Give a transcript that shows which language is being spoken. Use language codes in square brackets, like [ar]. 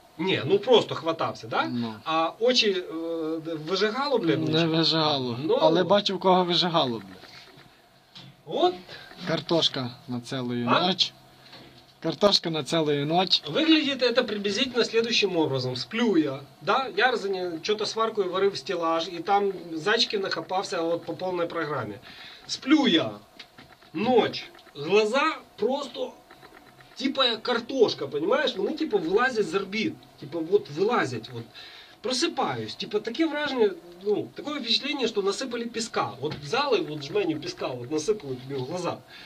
[uk] Не, ну просто хватався, да? Но. А очі вижигало, блин? Не вижигало. Но... Але бачив, кого вижигало, блин. От. Картошка на цілу ніч. Картошка на цілу ніч. [ru] Виглядит это приблизительно следующим образом. Сплю я, да? Я что-то [uk] сваркою варив стеллаж, [ru] и там зайчики [uk] нахопався от по повній програмі. [ru] Сплю я. Ніч. Глаза просто... [uk] Типа картошка, [ru] понимаешь? [uk] Вони типа вилазять з орбіт. Типа вот вилазять. Вот. [ru] просыпаюсь. Типа, [uk] таке враження, [ru] ну, такое впечатление, что насыпали песка. Вот взяли вот жменю песка, вот насыпали тебе в глаза.